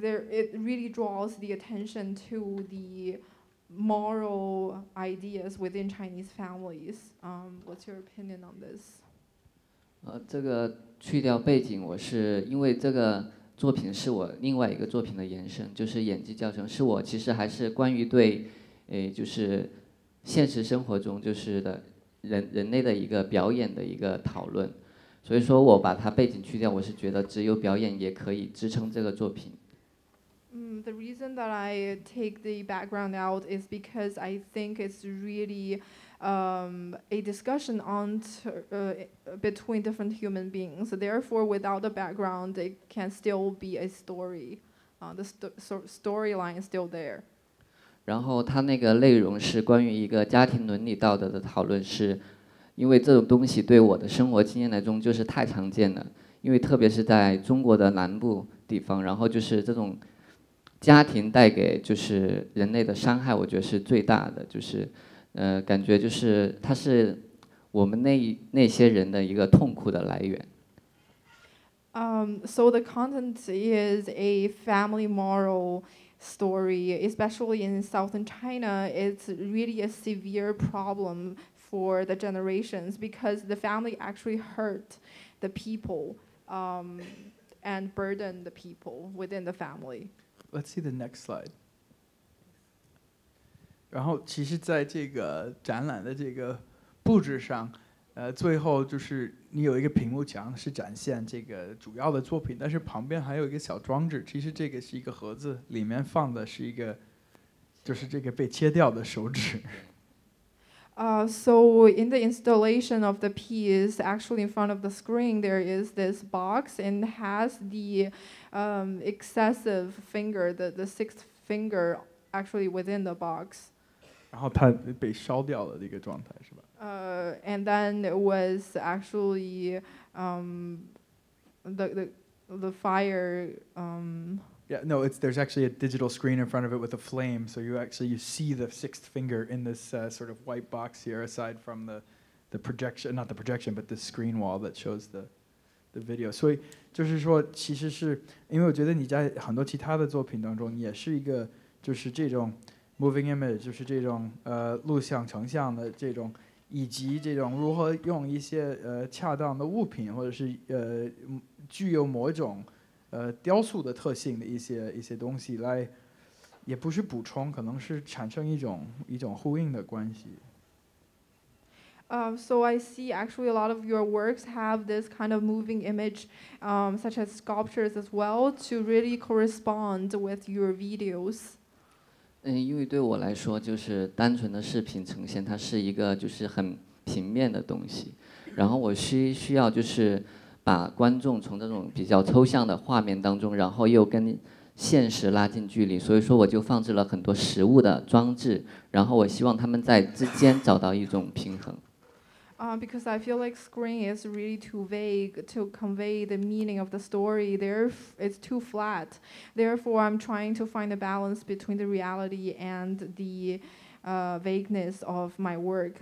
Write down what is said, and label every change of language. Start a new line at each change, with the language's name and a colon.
English: It really draws the attention to the moral ideas within Chinese families. What's your opinion on this?
Chinese: 这个去掉背景，我是因为这个作品是我另外一个作品的延伸，就是演技教程，是我其实还是关于对就是现实生活中就是的人类的一个表演的一个讨论，所以说我把它背景去掉，我是觉得只有表演也可以支撑这个作品。
English: The reason that I take the background out is because I think it's really a discussion on between different human beings. Therefore, without the background, it can still be a story. The storyline is still there.
Chinese: 然后它那个内容是关于一个家庭伦理道德的讨论，是因为这种东西对我的生活经验来中就是太常见了，因为特别是在中国的南部地方，然后就是这种家庭带给就是人类的伤害我觉得是最大的，就是感觉就是它是我们那些人的一个痛苦的来源。
English: So the content is a family moral story, especially in southern China. It's really a severe problem for the generations because the family actually hurt the people and burden the people within the family. Let's see the next slide.
Chinese: 然后其实在这个展览的这个布置上最后就是你有一个屏幕墙是展现这个主要的作品，但是旁边还有一个小装置，其实这个是一个盒子，里面放的是一个就是这个被切掉的手指。
English: So in the installation of the piece, actually in front of the screen, there is this box and has the excessive finger, the sixth finger actually within the box.
Chinese: 然后它被烧掉了的一个状态是吧？
English: And then it was actually the fire. Yeah, no, there's actually a digital screen in front of it with a flame, so you see the sixth finger in this sort of white box here, aside from the projection, not the projection, but the screen wall that shows the video.
Chinese: 所以就是说，其实是因为我觉得你在很多其他的作品当中也是一个就是这种
English: moving image，
Chinese: 就是这种录像成像的这种。以及这种如何用一些恰当的物品，或者是具有某种雕塑的特性的一些东西来，也不是补充，可能是产生一种呼应的关系。
English: So I see actually a lot of your works have this kind of moving image, such as sculptures as well, to really correspond with your videos.
Chinese: 因为对我来说就是单纯的视频呈现它是一个就是很平面的东西，然后我需要就是把观众从这种比较抽象的画面当中然后又跟现实拉近距离，所以说我就放置了很多实物的装置，然后我希望他们在之间找到一种平衡。
English: Because I feel like screen is really too vague to convey the meaning of the story. It's too flat. Therefore, I'm trying to find a balance between the reality and the vagueness of my work.